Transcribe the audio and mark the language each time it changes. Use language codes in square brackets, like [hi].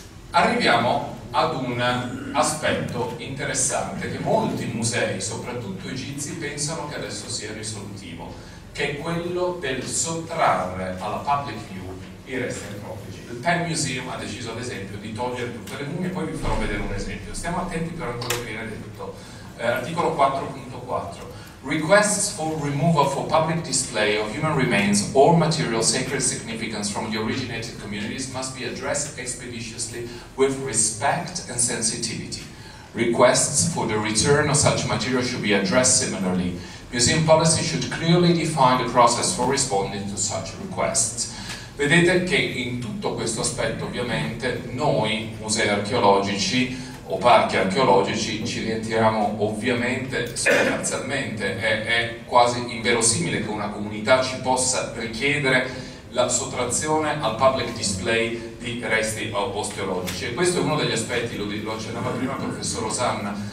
[it] Arriviamo ad un aspetto interessante che molti musei, soprattutto egizi, pensano che adesso sia risolutivo, che è quello del sottrarre alla public view i resti antropici. Il Penn Museum ha deciso ad esempio di togliere tutte le mummie, poi vi farò vedere un esempio. Stiamo attenti però a quello che viene detto. Articolo 4.4. [en] Requests for removal for public display of human remains or material sacred significance from the originated communities must be addressed expeditiously with respect and sensitivity. Requests for the return of such material should be addressed similarly. Museum policy should clearly define the process for responding to such requests. [it] Vedete che in tutto questo aspetto, ovviamente, noi musei archeologici o parchi archeologici ci rientriamo ovviamente sostanzialmente, è quasi inverosimile che una comunità ci possa richiedere la sottrazione al public display di resti osteologici. E questo è uno degli aspetti, lo accennava prima il professor Osanna,